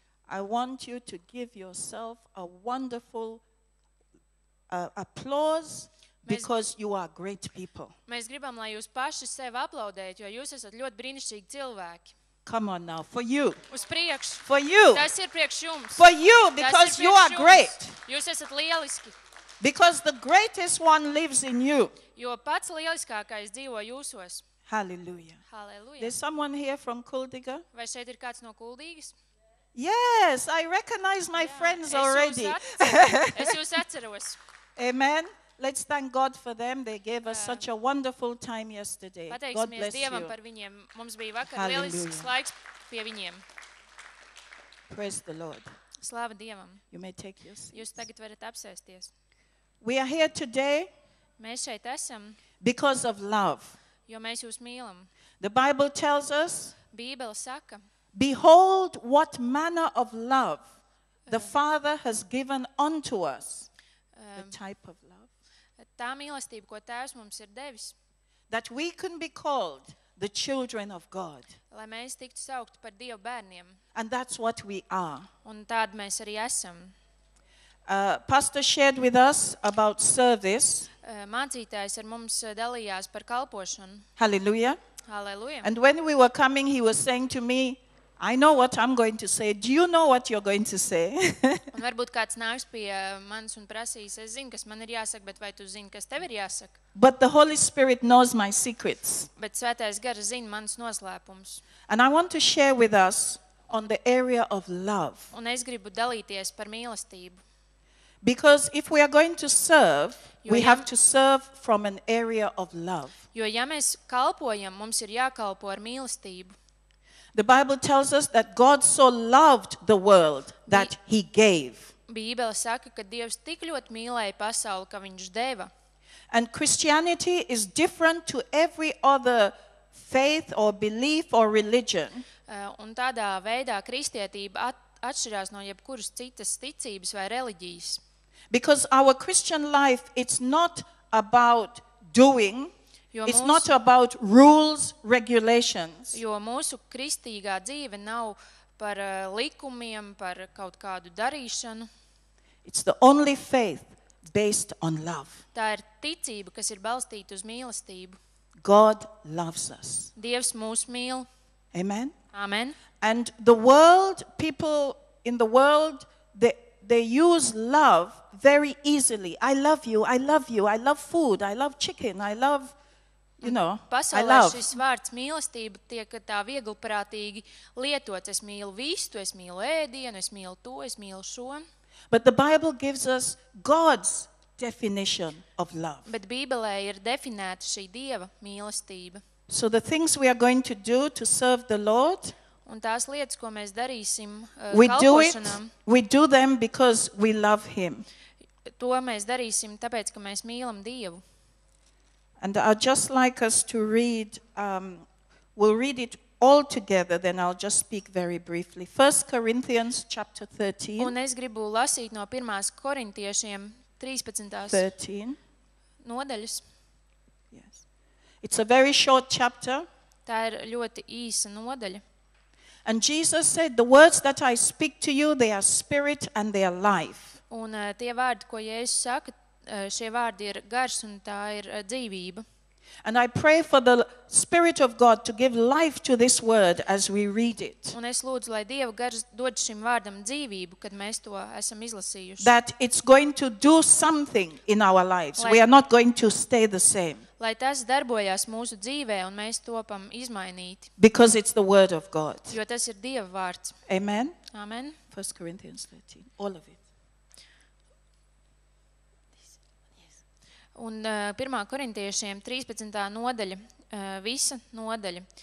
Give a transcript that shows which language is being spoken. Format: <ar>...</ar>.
<en>I want you to give yourself a wonderful applause because you are great people.</en> <lv>Mēs gribam, lai jūs paši sevi aplaudētu, jo jūs esat ļoti brīnišķīgi cilvēki.</lv> <en>Come on now, for you.</en> <lv>Uz priekš.</lv> <en>For you.</en> <lv>Tas ir priekš jums.</lv> <en>For you, because you are great.</en> <lv>Jūs esat lieliski.</lv> <en>Because the greatest one lives in you.</en> <lv>Jo pats lieliskākais dzīvo jūsos. Hallelujah. Hallelujah.</lv> <en>There's someone here from Kuldīga?</en> <lv>Vai šeit ir kāds no Kuldīgas?</lv> <en>Yes, I recognize my friends already.</en> <lv>Es jūs atceros.</lv> <en>Amen. Let's thank God for them. They gave us such a wonderful time yesterday. God bless</en> <lv>Dievam</lv> <en>you.</en> <lv>Par viņiem. Mums bija vakar lielisks laiks pie viņiem.</lv> <en>Praise the Lord.</en> <lv>Slāva Dievam.</lv> <en>You may take your seats.</en> <lv>Jūs tagad varat apsēsties.</lv> <en>We are here today.</en> <lv>Mēs šeit esam.</lv> <en>Because of love.</en> <lv>Jo mēs jūs mīlam.</lv> <en>The Bible tells us.</en> <lv>Bībele saka.</lv> <en>Behold what manner of love the Father has given unto us. The type of love.</en> <lv>Tā mīlestība, ko Tēvs mums ir devis.</lv> <en>That we can be called the children of God.</en> <lv>Lai mēs tiktu saukti par Dieva bērniem.</lv> <en>And that's what we are.</en> <lv>Un tādi mēs arī esam.</lv> <en>Pastor shared with us about service.</en> <lv>Mācītājs ar mums dalījās par kalpošanu. Hallelujah. Hallelujah.</lv> <en>And when we were coming, he was saying to me, I know what I'm going to say. Do you know what you're going to say?</en> <lv>Un varbūt kāds nāks pie manis un prasīs, es zinu, kas man ir jāsaka, bet vai tu zini, kas tev ir jāsaka?</lv> <en>But the Holy Spirit knows my secrets.</en> <lv>Bet Svētais Gars zina manas noslēpumus.</lv> <en>And I want to share with us on the area of love.</en> <lv>Un es gribu dalīties par mīlestību.</lv> <en>Because if we are going to serve, we have to serve from an area of love.</en> <lv>Jo ja mēs kalpojam, mums ir jākalpo ar mīlestību.</lv> <en>The Bible tells us that God so loved the world that he gave.</en> <lv>Bībele saka, ka Dievs tik ļoti mīlēja pasauli, ka viņš deva.</lv> <en>And Christianity is different to every other faith or belief or religion.</en> <lv>Un tādā veidā kristietība atšķirās no jebkuras citas ticības vai reliģijas.</lv> <en>Because our Christian life, it's not about doing. It's not about rules, regulations.</en> <lv>Jo mūsu kristīgā dzīve nav par likumiem, par kaut kādu darīšanu.</lv> <en>It's the only faith based on love.</en> <lv>Tā ir ticība, kas ir balstīta uz mīlestību.</lv> <en>God loves us.</en> <lv>Dievs mūs mīl. Amen. Amen.</lv> <en>And the world, people in the world, they use love very easily. I love you, I love you, I love food, I love chicken, I love... You know,</en> <lv>pasaulē šis vārds mīlestība tiek tā viegliprātīgi lietots. Es mīlu vistu, es mīlu ēdienu, es mīlu to, es mīlu šo.</lv> <en>But the Bible gives us God's definition of love.</en> <lv>Bet Bībelē ir definēta šī Dieva mīlestība.</lv> <en>So the things we are going to do to serve the Lord,</en> <lv>un tās lietas, ko mēs darīsim kalpošanām,</lv> <en>we do them because we love him.</en> <lv>To mēs darīsim tāpēc, ka mēs mīlam Dievu.</lv> <en>And I'd just like us to read, we'll read it all together, then I'll just speak very briefly. 1 Corinthians chapter 13.</en> <lv>Un es gribu lasīt no 1. Korintiešiem 13. 13. Nodaļas.</lv> <en>Yes. It's a very short chapter.</en> <lv>Tā ir ļoti īsa nodaļa.</lv> <en>And Jesus said, the words that I speak to you, they are spirit and they are life.</en> <lv>Un tie vārdi, ko Jēzus saka, šie vārdi ir gars un tā ir dzīvība.</lv> <en>And I pray for the Spirit of God to give life to this word as we read it.</en> <lv>Un es lūdzu, lai Dieva gars dod šim vārdam dzīvību, kad mēs to esam izlasījuši.</lv> <en>That it's going to do something in our lives. We are not going to stay the same.</en> <lv>Lai tas darbojas mūsu dzīvē un mēs topam izmainīti.</lv> <en>Because it's the word of God.</en> <lv>Jo tas ir Dieva vārds. Amen. Amen.</lv> <en>1 Corinthians 13. All of it.</en> <lv>Un 1. Korintiešiem 13. Nodaļa, visa nodaļa.</lv>